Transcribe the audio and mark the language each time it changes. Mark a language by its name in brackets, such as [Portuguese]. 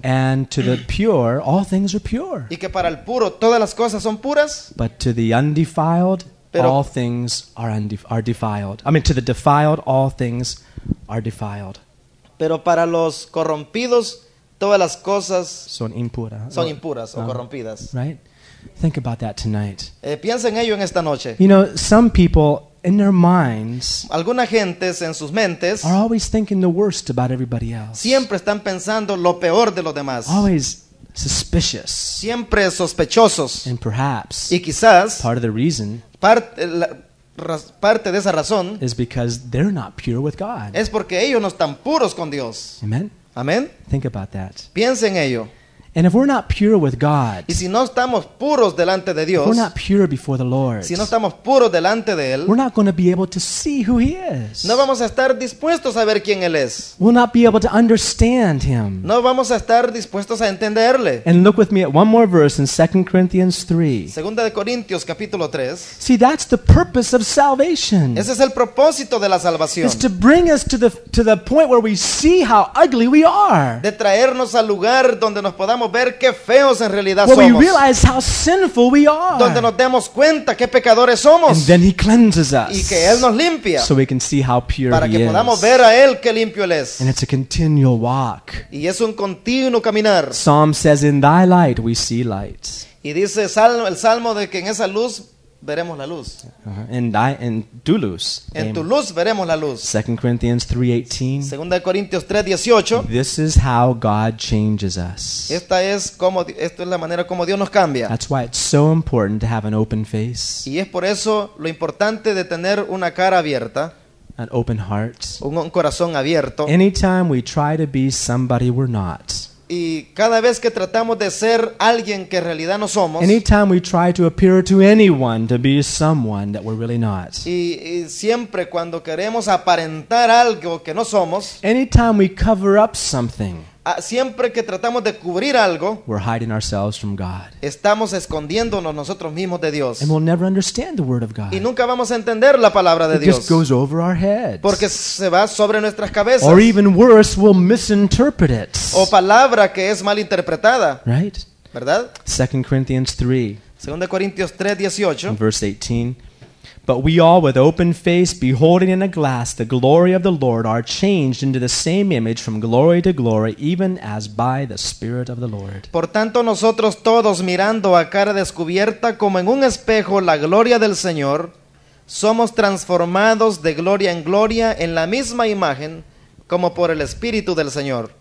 [English] And to the pure all things are pure. [Spanish] Y que para el puro todas las cosas son puras. [English] But to the undefiled all things are defiled. I mean to the defiled all things are defiled. [Spanish] Pero para los corrompidos todas las cosas son impuras. Son impuras o corrompidas. [English] Right? Think about that tonight. [Spanish] Piensa en ello en esta noche. [English] You know, some people in their minds, [Spanish] alguna gente en sus mentes, [English] are always thinking the worst about everybody else. [Spanish] Siempre están pensando lo peor de los demás. [English] Always suspicious. [Spanish] Siempre sospechosos. [English] And perhaps, [Spanish] y quizás, [English] part of the reason, [Spanish] parte de esa razón, [English] is because they're not pure with God. [Spanish] Es porque ellos no están puros con Dios. [English] Amen. [Spanish] Amen. [English] Think about that. [Spanish] Piensa en ello. [English] And if we're not pure with God, [Spanish] y si no estamos puros delante de Dios, [English] if we're not pure before the Lord, [Spanish] si no estamos puros delante de Él, [English] we're not going to be able to see who He is. [Spanish] No vamos a estar dispuestos a ver quién Él es. [English] We'll not be able to understand Him. [Spanish] No vamos a estar dispuestos a entenderle. [English] And look with me at one more verse in 2 Corinthians 3. [Spanish] Segunda de Corintios, capítulo 3. [English] See, that's the purpose of salvation. [Spanish] Ese es el propósito de la salvación. [English] It's to bring us to the point where we see how ugly we are. [Spanish] De traernos al lugar donde nos podamos ver qué feos en realidad [English] well, [Spanish] somos. [English] We realize how sinful we are. [Spanish] Donde nos demos cuenta qué pecadores somos. [English] And then he cleanses us. [Spanish] Y que él nos limpia. [English] So we can see how pure [Spanish] para [English] he [Spanish] que podamos ver a él qué limpio él es. [English] And it's a continual walk. [Spanish] Y es un continuo caminar. [English] Psalm says in thy light we see light. [Spanish] Y dice el salmo de que en esa luz veremos la luz. In tu luz. En tu luz veremos la luz. [English] 2 Corinthians 3:18. [Spanish] Segunda de Corintios 3:18. [English] This is how God changes us. [Spanish] Esta es la manera como Dios nos cambia. [English] That's why it's so important to have an open face. [Spanish] Y es por eso lo importante de tener una cara abierta. [English] An open heart. [Spanish] Un corazón abierto. [English] Anytime we try to be somebody we're not. [Spanish] Y cada vez que tratamos de ser alguien que en realidad no somos. [English] Anytime we try to appear to anyone to be someone that we're really not. [Spanish] Y siempre cuando queremos aparentar algo que no somos. [English] Anytime we cover up something. [Spanish] Siempre que tratamos de cubrir algo. [English] We're hiding ourselves from God. [Spanish] Estamos escondiéndonos nosotros mismos de Dios. [English] And we'll never understand the word of God. [Spanish] Y nunca vamos a entender la palabra de [English] It [Spanish] Dios. [English] Just goes over our heads. [Spanish] Porque se va sobre nuestras cabezas. [English] Or even worse, we'll misinterpret it. [Spanish] O palabra que es mal interpretada. [English] Right? [Spanish] ¿Verdad? [English] 2 Corinthians 3. [Spanish] 2 Corintios 3, 18. [English] Verse 18. But we all with open face, beholding in a glass the glory of the Lord, are changed into the same image from glory to glory, even as by the Spirit of the Lord. [Spanish] Por tanto, nosotros todos mirando a cara descubierta como en un espejo la gloria del Señor, somos transformados de gloria en gloria en la misma imagen como por el Espíritu del Señor.